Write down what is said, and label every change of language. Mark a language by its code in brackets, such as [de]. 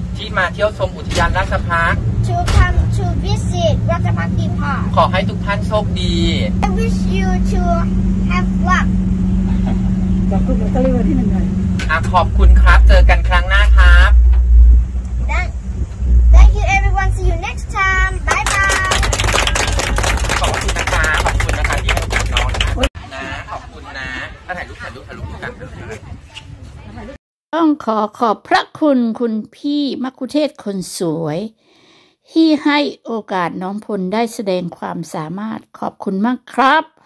[th] ที่มาเที่ยวชมอุทยานราชพัฒน์ [en] to come to visit ราชพัฒน์ดีพาร์ค [th] ขอให้ทุกท่านโชคดี [en] I wish you to have luck [th] ขอบคุณลอตเตอรี่วันที่หนึ่งเลย ขอบคุณครับเจอกันครั้งหน้าครับ [en] Thank you everyone see you next time bye bye [th] ขอบคุณนะคะขอบคุณนะคะที่ให้กับน้องนะขอบคุณนะถ่ายรูปถ่ายรูปกัน ต้องขอขอบพระคุณคุณพี่มัคคุเทศก์คนสวยที่ให้โอกาสน้องพลได้แสดงความสามารถขอบคุณมากครับ